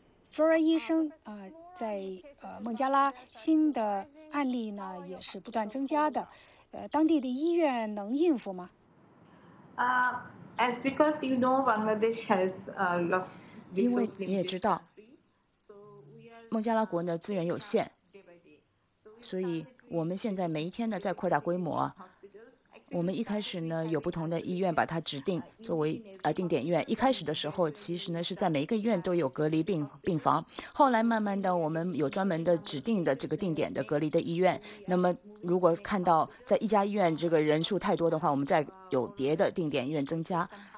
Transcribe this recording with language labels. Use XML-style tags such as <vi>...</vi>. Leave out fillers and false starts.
<zh>Flora 医生在孟加拉新的案例呢也是不断增加的，当地的医院能应付吗？</zh> <en>As because you know Bangladesh has a lot of resources.</en> <zh>因为你也知道，孟加拉国呢资源有限，所以我们现在每一天呢在扩大规模。我们一开始呢有不同的医院把它指定作为定点医院，一开始的时候其实呢是在每一个医院都有隔离病房，后来慢慢的我们有专门的指定的这个定点的隔离的医院，那么如果看到在一家医院这个人数太多的话，我们再有别的定点医院增加。</zh>